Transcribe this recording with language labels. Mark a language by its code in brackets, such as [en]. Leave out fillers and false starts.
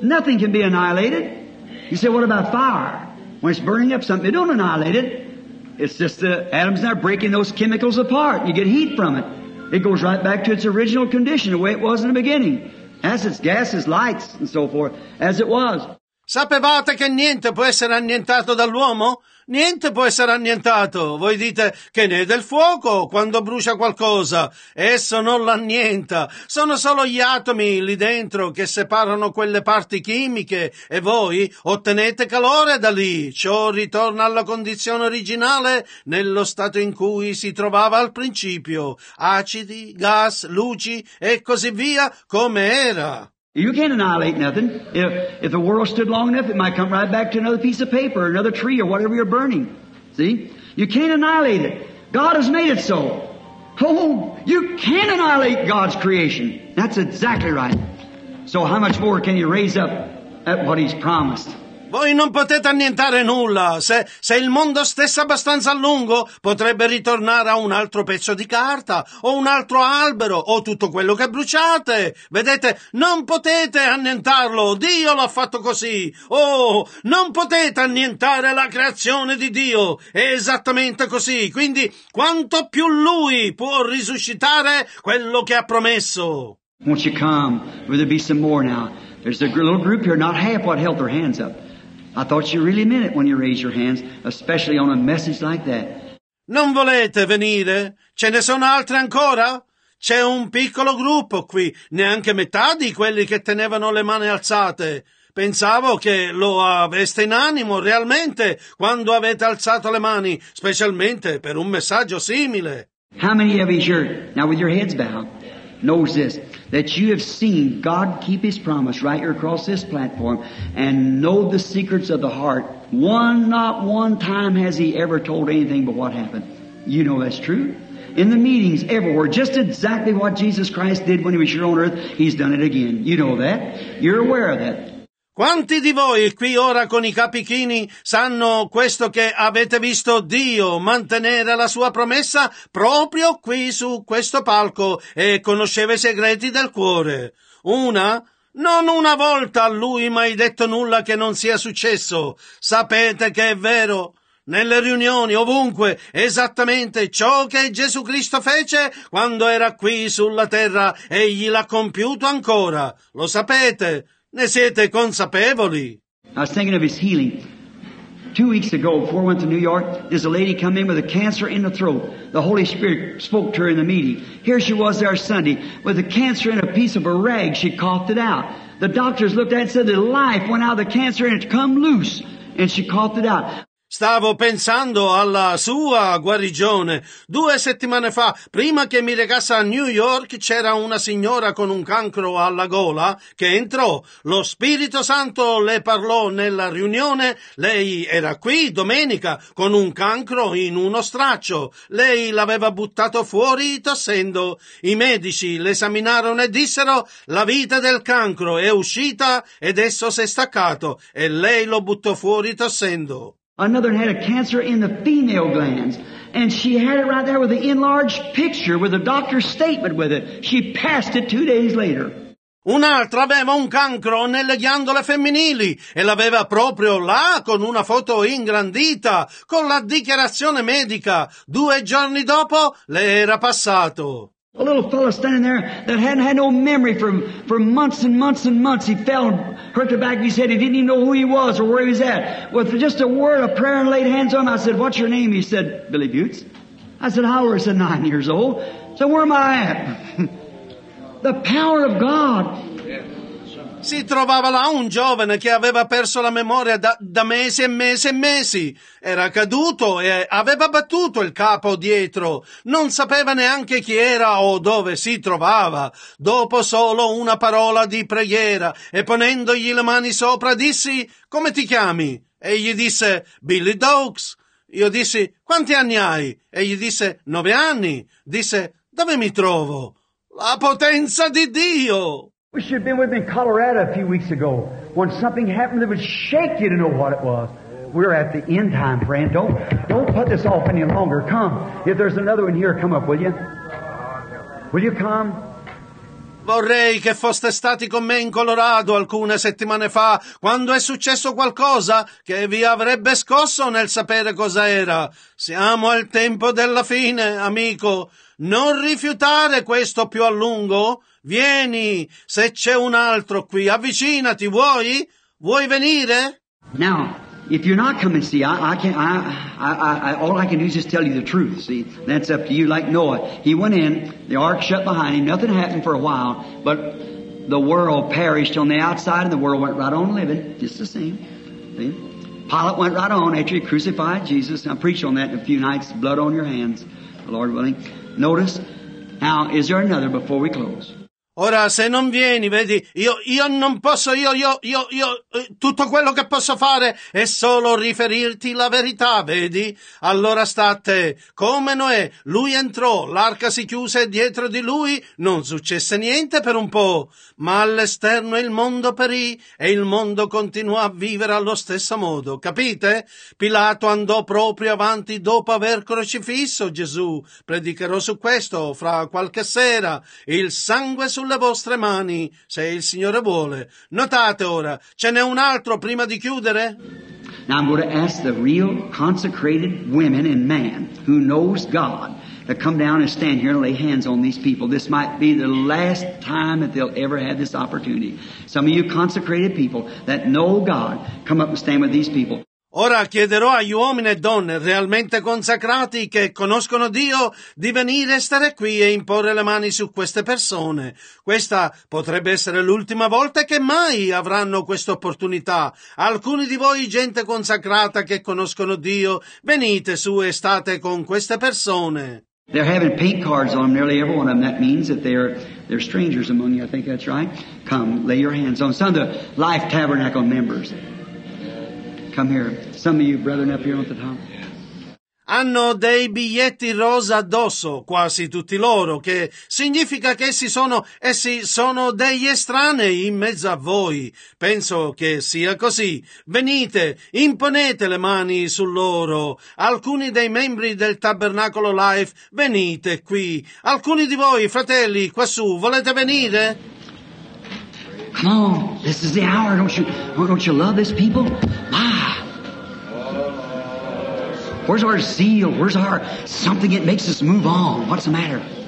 [en] Nothing can be annihilated. You say, what about fire? When it's burning up something, you don't annihilate it. It's just the atoms that are breaking those chemicals apart. You get heat from it. It goes right back to its original condition, the way it was in the beginning. Acids, gases, lights, and so forth, as it was. [it] Sapevate che niente può essere annientato dall'uomo? Niente può essere annientato. Voi dite che ne è del fuoco quando brucia qualcosa. Esso non l'annienta. Sono solo gli atomi lì dentro che separano quelle parti chimiche e voi ottenete calore da lì. Ciò ritorna alla condizione originale nello stato in cui si trovava al principio. Acidi, gas, luci e così via come era. [en] You can't annihilate nothing. If the world stood long enough, it might come right back to another piece of paper or another tree or whatever you're burning. See? You can't annihilate it. God has made it so. Oh, you can't annihilate God's creation. That's exactly right. So how much more can you raise up at what He's promised? [it] Voi non potete annientare nulla. Se il mondo stesse abbastanza a lungo, potrebbe ritornare a un altro pezzo di carta, o un altro albero, o tutto quello che bruciate. Vedete, non potete annientarlo. Dio l'ha fatto così. Oh, non potete annientare la creazione di Dio. È esattamente così. Quindi, quanto più Lui può risuscitare quello che ha promesso? [en] Won't you come? Will there be some more now? There's a little group here, not half what held their hands up. I thought you really meant it when you raised your hands, especially on a message like that. [it] Non volete venire? Ce ne sono altre ancora? C'è un piccolo gruppo qui, neanche metà di quelli che tenevano le mani alzate. Pensavo che lo aveste in animo realmente quando avete alzato le mani, specialmente per un messaggio simile. [en] How many of you here, now with your heads bowed, knows this, that you have seen God keep His promise right here across this platform and know the secrets of the heart? One, not one time has He ever told anything but what happened. You know that's true? In the meetings, everywhere, just exactly what Jesus Christ did when He was here on earth, He's done it again. You know that? You're aware of that. [it] Quanti di voi qui ora con i capichini sanno questo che avete visto Dio mantenere la sua promessa proprio qui su questo palco e conosceva i segreti del cuore? Una? Non una volta a lui mai detto nulla che non sia successo. Sapete che è vero? Nelle riunioni, ovunque, esattamente ciò che Gesù Cristo fece quando era qui sulla terra, egli l'ha compiuto ancora. Lo sapete? Ne siete consapevoli? [en] I was thinking of his healing. 2 weeks ago, before I went to New York, there's a lady come in with a cancer in the throat. The Holy Spirit spoke to her in the meeting. Here she was there Sunday with a cancer in a piece of a rag. She coughed it out. The doctors looked at it and said the life went out of the cancer and it come loose. And she coughed it out. [it] Stavo pensando alla sua guarigione. 2 settimane fa, prima che mi recasse a New York, c'era una signora con un cancro alla gola che entrò. Lo Spirito Santo le parlò nella riunione. Lei era qui domenica con un cancro in uno straccio. Lei l'aveva buttato fuori tossendo. I medici l'esaminarono e dissero: la vite del cancro è uscita ed esso si è staccato. E lei lo buttò fuori tossendo. [en] Another had a cancer in the female glands, and she had it right there with the enlarged picture with the doctor's statement with it. She passed it 2 days later. [it] Un'altra aveva un cancro nelle ghiandole femminili e l'aveva proprio là con una foto ingrandita, con la dichiarazione medica. 2 giorni dopo le era passato. [en] A little fellow standing there that hadn't had no memory for months and months and months. He fell and hurt the back of his head. He didn't even know who he was or where he was at. With just a word of prayer and laid hands on him, I said, "What's your name?" He said, "Billy Butes." I said, "How old?" He said, 9 years old. So where am I at? The power of God. [it] Si trovava là un giovane che aveva perso la memoria da mesi e mesi e mesi. Era caduto e aveva battuto il capo dietro. Non sapeva neanche chi era o dove si trovava. Dopo solo una parola di preghiera e ponendogli le mani sopra dissi: "Come ti chiami?" E gli disse: "Billy Dokes." Io dissi: "Quanti anni hai?" E gli disse: "9 anni." Disse: "Dove mi trovo?" La potenza di Dio! [en] I wish you'd been with me in Colorado a few weeks ago when something happened that would shake you to know what it was. We're at the end time, friend. Don't put this off any longer. Come. If there's another one here, come up, will you? Will you come? [it] Vorrei che foste stati con me in Colorado alcune settimane fa quando è successo qualcosa che vi avrebbe scosso nel sapere cosa era. Siamo al tempo della fine, amico. Non rifiutare questo più a lungo. Vieni, se c'è un altro qui, avvicinati, vuoi? Vuoi venire? [en] Now, if you're not coming, see, all I can do is just tell you the truth, see? That's up to you, like Noah. He went in, the ark shut behind him, nothing happened for a while, but the world perished on the outside, and the world went right on living, just the same. See? Pilate went right on after he crucified Jesus. I preached on that in a few nights, blood on your hands, the Lord willing. Notice, now, is there another before we close? [it] Ora, se non vieni, vedi, io non posso, tutto quello che posso fare è solo riferirti la verità, vedi? Allora sta a te. Come Noè, lui entrò, l'arca si chiuse dietro di lui, non successe niente per un po', ma all'esterno il mondo perì e il mondo continuò a vivere allo stesso modo, capite? Pilato andò proprio avanti dopo aver crocifisso Gesù. Predicherò su questo fra qualche sera. Il sangue sulle vostre mani, se il Signore vuole. Notate ora, ce n'è un altro prima di chiudere? [en] Now I'm going to ask the real consecrated women and man who knows God to come down and stand here and lay hands on these people. This might be the last time that they'll ever have this opportunity. Some of you consecrated people that know God, come up and stand with these people. [it] Ora chiederò agli uomini e donne realmente consacrati che conoscono Dio di venire e stare qui e imporre le mani su queste persone. Questa potrebbe essere l'ultima volta che mai avranno questa opportunità. Alcuni di voi, gente consacrata che conoscono Dio, venite su e state con queste persone. [en] They're having paint cards on them, nearly every one of them. That means that they're strangers among you. I think that's right. Come, lay your hands on some of the Life Tabernacle members. Come here. Some of you, brethren, up here on the top. [it] Hanno dei biglietti rosa addosso, quasi tutti loro, che significa che essi sono degli estranei in mezzo a voi. Penso che sia così. Venite, imponete le mani su loro. Alcuni dei membri del Tabernacolo Life, venite qui. Alcuni di voi, fratelli, quassù, volete venire? [en] Come on, this is the hour, don't you love these people? Where's our zeal? Where's our something that makes us move on? What's the matter?